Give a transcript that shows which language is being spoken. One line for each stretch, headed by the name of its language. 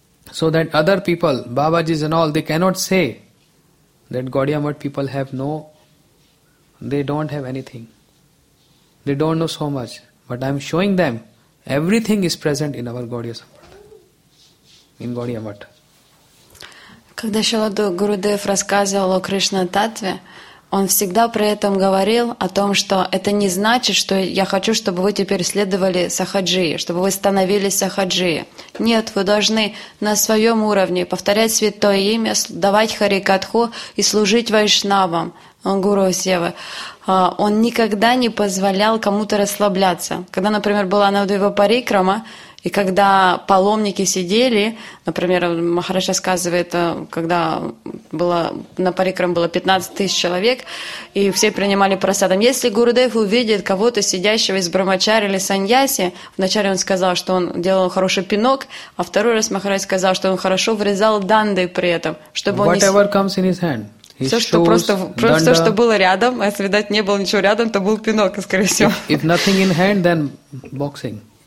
English: So that other people, Babajis and all, they cannot say that Gaudiya Math people have no, they don't have anything. They don't know so much. But I am showing them everything is present in our Gaudiya Sampradaya.
Russian: Когда Шрила Гурудев рассказывал о Кришна-татве, он всегда при этом говорил о том, что это не значит, что я хочу, чтобы вы теперь следовали сахаджии, чтобы вы становились сахаджии. Нет, вы должны на своем уровне повторять святое имя, давать харикатху и служить вайшнавам, гуру Севы. Он никогда не позволял кому-то расслабляться. Когда, например, была Навдвипа Парикрама, И когда паломники сидели, например, Махарадж рассказывает, когда было, на парикрам было 15 тысяч человек, и все принимали прасадам. Если Гурудев увидит кого-то сидящего из брамачари или саньяси, вначале он сказал, что он делал хороший пинок, а второй раз Махарадж сказал, что он хорошо врезал данды при этом, чтобы
English: whatever
Russian: он не... Все, что просто все, что было рядом, а если, видать, не было ничего рядом, то был пинок, скорее всего.
English: If nothing in hand, then boxing.